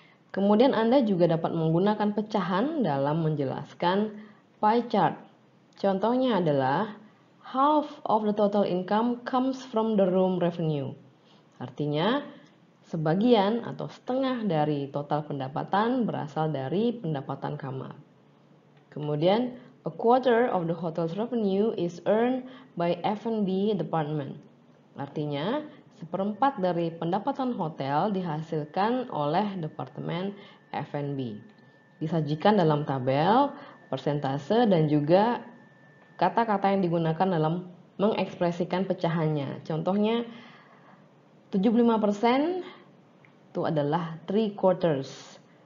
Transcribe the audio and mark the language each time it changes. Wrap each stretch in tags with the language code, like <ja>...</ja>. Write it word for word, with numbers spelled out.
<id>Kemudian Anda juga dapat menggunakan pecahan dalam menjelaskan pie chart. Contohnya adalah</id> <en>half of the total income comes from the room revenue.</en> <id>Artinya sebagian atau setengah dari total pendapatan berasal dari pendapatan kamar.</id> <en>Kemudian, a quarter of the hotel's revenue is earned by F and B department.</en> <id>Artinya, seperempat dari pendapatan hotel dihasilkan oleh departemen F and B. Disajikan dalam tabel, persentase, dan juga kata-kata yang digunakan dalam mengekspresikan pecahannya. Contohnya, tujuh puluh lima persen itu adalah</id> <en>three quarters.</en>